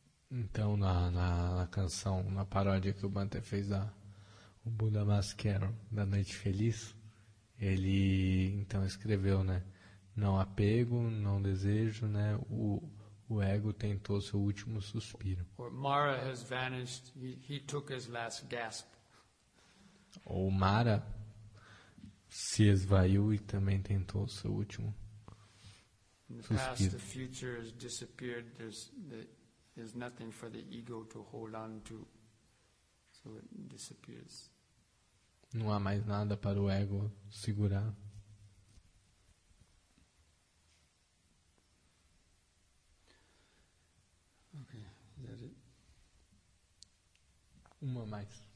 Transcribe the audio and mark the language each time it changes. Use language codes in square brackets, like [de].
[pt] Então, na canção, na paródia que o Bhante fez o Buddha Mascaro, da Noite Feliz, ele, então, escreveu, né, não apego, não desejo, né, o ego tentou seu último suspiro. [en] Or Mara has vanished, he took his last gasp. [pt] Ou Mara se esvaiu e também tentou seu último suspiro. [en] In the past, the future has disappeared, there's nothing for the ego to hold on to, so it disappears. [pt] Não há mais nada para o ego segurar. [en] Okay, is that it? [pt] Uma mais.